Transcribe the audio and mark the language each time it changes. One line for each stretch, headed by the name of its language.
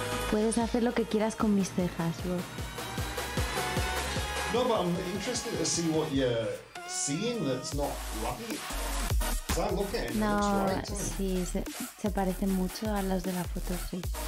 Spanish: Puedes hacer lo que quieras con mis cejas, bro.
English: No, but I'm interested to see what you're seeing that's not right. So I'm looking. No, it looks right,
Spanish: sí, se parece mucho a los de la foto, sí.